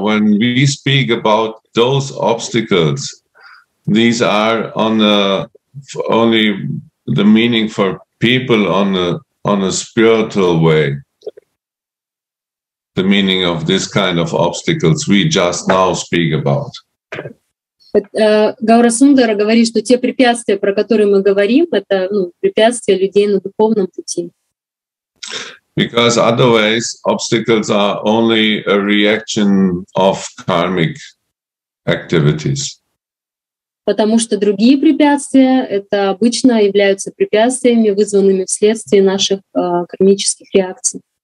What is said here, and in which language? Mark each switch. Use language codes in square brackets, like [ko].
[en] When we speak about those obstacles, these are on the only the meaning for people on the on a spiritual way the meaning of this kind of obstacles we just now speak about. [ru] Гаура Сундара говорит, что те препятствия, про которые мы говорим, это препятствия людей на духовном пути. [en] Because otherwise obstacles are only a reaction of karmic activities. [ru] Потому что другие препятствия это обычно являются препятствиями, вызванными вследствие наших кармических реакций.